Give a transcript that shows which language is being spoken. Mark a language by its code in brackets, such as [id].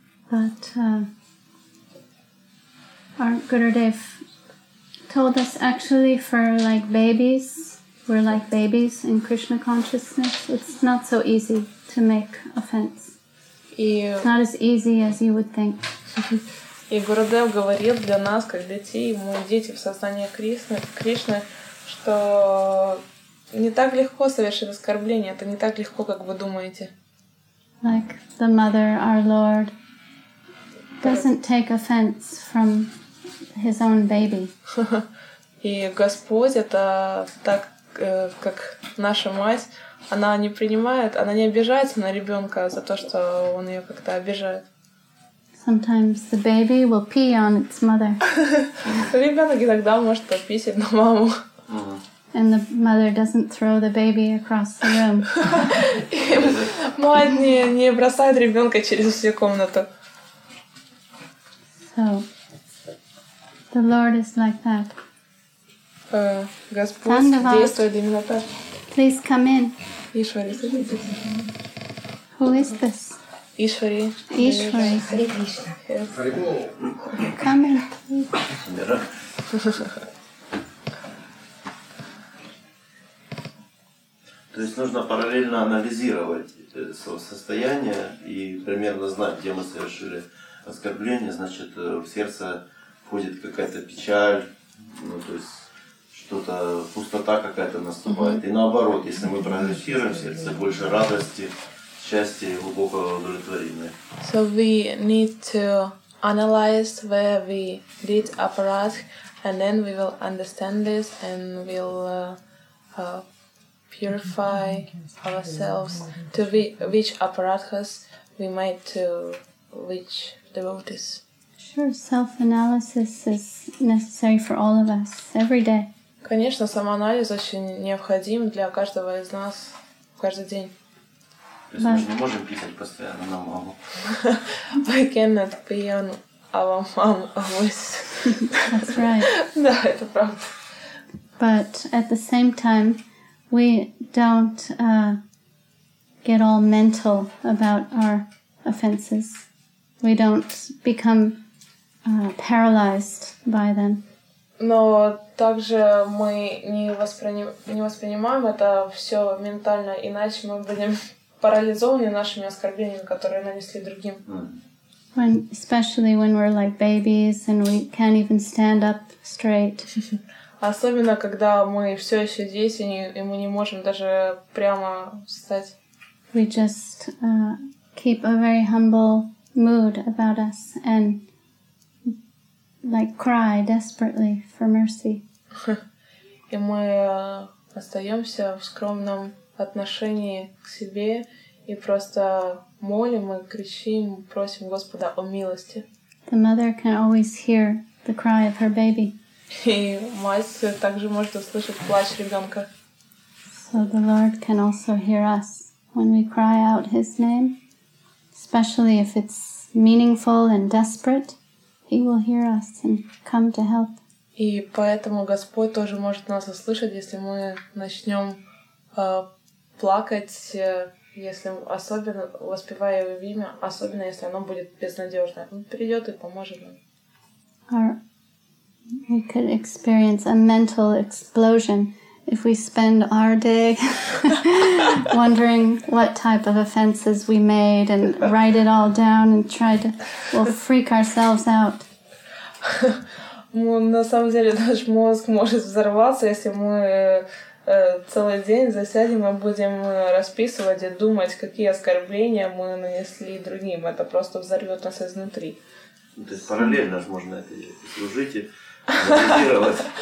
[en] But our Gurudev told us actually for like babies, we're like babies in Krishna consciousness, it's not so easy to make offense. It's not as easy as you would think. [ru] И Гурудев говорил для нас, как детей, мы дети в сознании Кришны, что не так легко совершить оскорбление, это не так легко, как вы думаете. [en] Like the mother, our Lord, doesn't take offense from his own baby. [ru] И Господь это так, как наша мать, она не принимает, она не обижается на ребенка за то, что он ее как-то обижает. [en] Sometimes the baby will pee on its mother. [ru] Ребенок иногда может пописать на маму. [en] And the mother doesn't throw the baby across the room. [ru] Мать не бросает ребенка через всю комнату. [en] So the Lord is like that. [ru] Господь Thandavad, действует именно так. [en] Please come in. [ru] Ишвари, [en] who is this? [ru] Ишвари. Ишвари. [en] Come in, please. [ru] То есть нужно параллельно анализировать свое состояние и примерно знать, где мы совершили оскорбление, значит, в сердце входит какая-то печаль, ну то есть что-то, пустота какая-то наступает. Mm-hmm. И наоборот, если мы прогрессируем сердце, больше радости, счастья и глубокого удовлетворения. [en] So we need to analyze where we did aparadh, and then we will understand this and we'll purify ourselves to which aparadhas we made to which devotees. Sure, self-analysis is necessary for all of us every day. [ru] Конечно, самоанализ очень необходим для каждого из нас каждый день. То есть мы не можем писать постоянно на маму. [en] I cannot pee on our mom always. That's right. [ru] Да, это правда. [en] But at the same time, we don't get all mental about our offenses. We don't become paralyzed by them. [ru] Но также мы не воспринимаем это все ментально, иначе мы будем парализованы нашими оскорблениями, которые нанесли другим. [en] When, especially when we're like babies and we can't even stand up straight. [ru] Особенно когда мы все еще дети и мы не можем даже прямо встать. [en] We just keep a very humble mood about us and like cry desperately for mercy. [ru] И мы остаемся в скромном отношении к себе и просто молим и кричим, просим Господа о милости. [en] The mother can always hear the cry of her baby. [ru] И мать также может услышать плач ребенка. [en] So the Lord can also hear us when we cry out His name, especially if it's meaningful and desperate. He will hear us and come to help. [ru] И поэтому Господь тоже может нас услышать, если мы начнем плакать, если особенно воспевая его имя, особенно если оно будет безнадежное. Он придет и поможет нам. [en] Or we could experience a mental explosion if we spend our day wondering what type of offenses we made and write it all down and try to freak ourselves out. [ru] На самом деле наш мозг может взорваться, если мы целый день засядем и будем расписывать и думать, какие оскорбления мы нанесли другим. Это просто взорвет нас изнутри. То есть параллельно же можно это служить и анализировать.